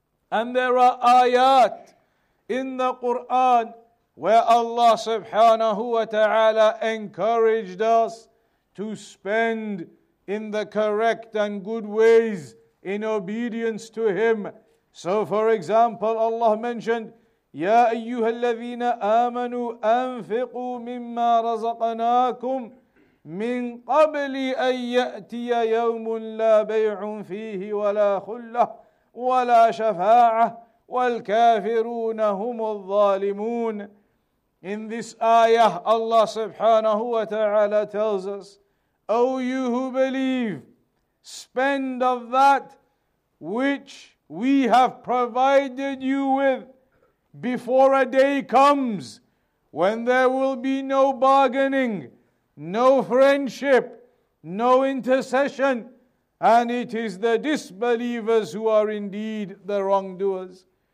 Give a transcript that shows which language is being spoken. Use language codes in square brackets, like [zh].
[en] And there are ayat in the Quran where Allah subhanahu wa ta'ala encouraged us to spend in the correct and good ways in obedience to Him. So for example, Allah mentioned, [ar] يا أيها الذين آمنوا أنفقوا مما رزقناكم من قبل أن يأتي يوم لا بيع فيه ولا خلة ولا شفاعة والكافرون هم الظالمون. [en] In this ayah, Allah subhanahu wa ta'ala tells us, O you who believe, spend of that which we have provided you with before a day comes when there will be no bargaining, no friendship, no intercession, and it is the disbelievers who are indeed the wrongdoers.